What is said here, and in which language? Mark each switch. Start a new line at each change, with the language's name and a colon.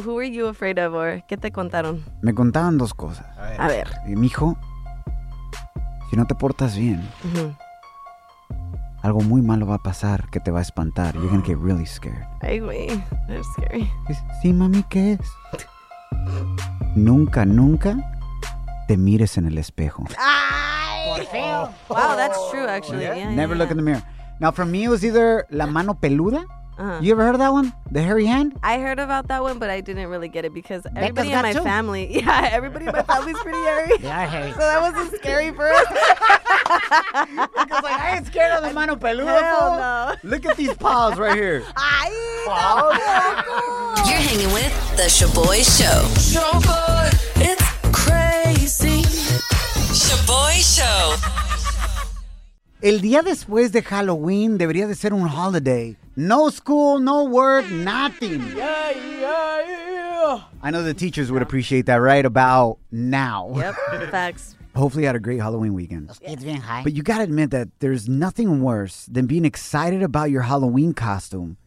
English: Who were you afraid of, or
Spanish: qué te contaron? Me contaban dos cosas. A ver. Mijo, si no te portas bien, algo muy malo va a pasar que te va a espantar.
English: You're gonna get really scared. Ay, güey, that's scary.
Spanish: Sí, mami, ¿qué es? Nunca, nunca te mires en el espejo. Ay, feo.
English: Wow, that's true, actually. Yeah. Never look in the mirror. Now, for me, it was either la mano peluda. Uh-huh. You ever heard of that one? The hairy hand? I heard about that one, but I didn't really get it because everybody in my family... Yeah, everybody in my family's pretty hairy. Yeah, hairy. So that wasn't scary for us. Because, like, I ain't scared of the mano peluda. Hell no. Look at these paws right here. Ay, paws. You're hanging with The Shaboy Show. Shaboy, it's crazy. Shaboy Show.
Spanish: El día después de Halloween debería de ser un holiday.
English: No school, no work, nothing. Yeah. I know the teachers would appreciate that right about now. Yep, facts. Hopefully you had a great Halloween weekend. It's been high. But you gotta admit that there's nothing worse than being excited about your Halloween costume